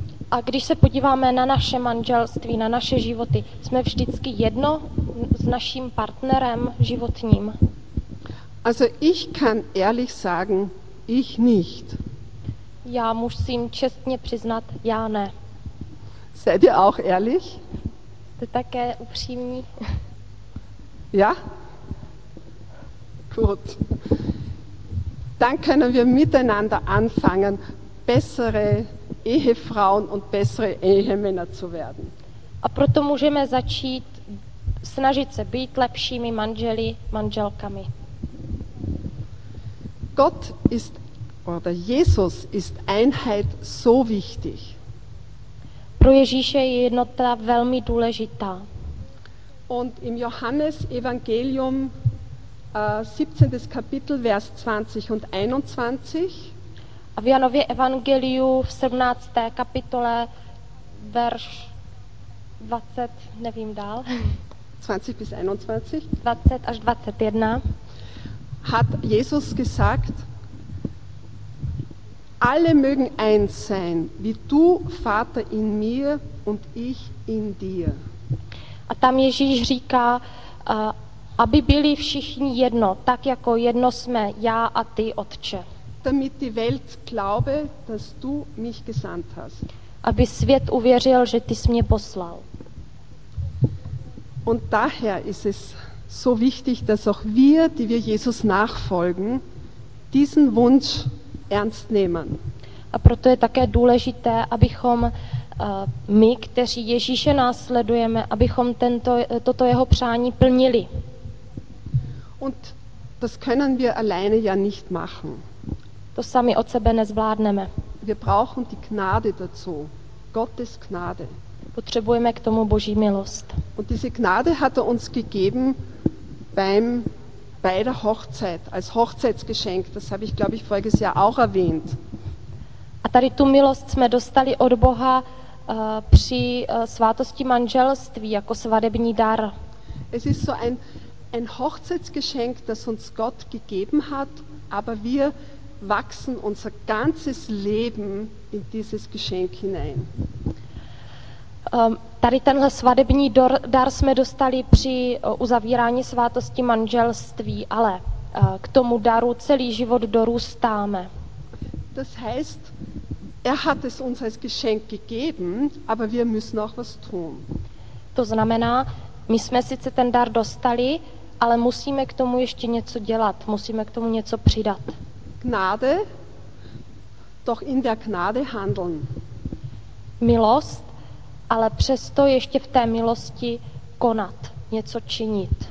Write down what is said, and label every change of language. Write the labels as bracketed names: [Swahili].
[Czech] A když se podíváme na naše manželství, na naše životy, jsme vždycky jedno s naším partnerem životním. [German] Also ich kann ehrlich sagen, ich nicht. [Czech] Já musím čestně přiznat, já ne. [German] Seid ihr auch ehrlich? [Czech] Jste také upřímní? [German] Ja? Gut. Dann können wir miteinander anfangen, bessere Ehefrauen und bessere Ehemänner zu werden. [Czech] A proto můžeme začít snažit se být lepšími manželi, manželkami. [German] Gott ist oder Jesus ist Einheit so wichtig. [Czech] Pro Ježíše je jednota velmi důležitá. [German] Und im Johannes Evangelium 17. Kapitel Vers 20 und 21. [Czech] A v Janově evangeliu v 17. kapitole verš 20, nevím dál. [German] 20 bis 21. [Czech] 20 až 21. [German] Hat Jesus gesagt: Alle mögen eins sein, wie du, Vater, in mir und ich in dir. [Czech] A tam Ježíš říká, aby byli všichni jedno, tak jako jedno jsme já a ty, Otče. [German] Damit die Welt glaube, dass du mich gesandt hast. [Czech] Aby svět uvěřil, že ty jsi mě poslal. [German] Und daher ist es so wichtig, dass auch wir, die wir Jesus nachfolgen, diesen Wunsch ernst nehmen. [Czech] A proto je také důležité, abychom my, kteří Ježíše následujeme, abychom toto jeho přání plnili. [German] Und das können wir alleine ja nicht machen. [Czech] To sami od sebe nezvládneme. [German] Wir brauchen die Gnade dazu. Gottes Gnade. [Czech] Potřebujeme k tomu Boží milost. [German] Und diese Gnade hat uns gegeben bei der Hochzeit, als Hochzeitsgeschenk. Das habe ich, glaube ich, voriges Jahr auch erwähnt. [Czech] A tady tu milost jsme dostali od Boha při svátosti manželství jako svadební dar. [German] Es ist so ein Hochzeitsgeschenk, das uns Gott gegeben hat, aber wir wachsen unser ganzes Leben in dieses Geschenk hinein. [Czech] Tady tenhle svadební dar jsme dostali při uzavírání svátosti manželství, ale k tomu daru celý život dorůstáme. [German] Das heißt, er hat es uns als Geschenk gegeben, aber wir müssen auch was tun. [Czech] To znamená, my jsme sice ten dar dostali, ale musíme k tomu ještě něco dělat, musíme k tomu něco přidat. [German] Gnade, doch in der Gnade handeln. [Czech] Milost, ale přesto ještě v té milosti konat, něco činit.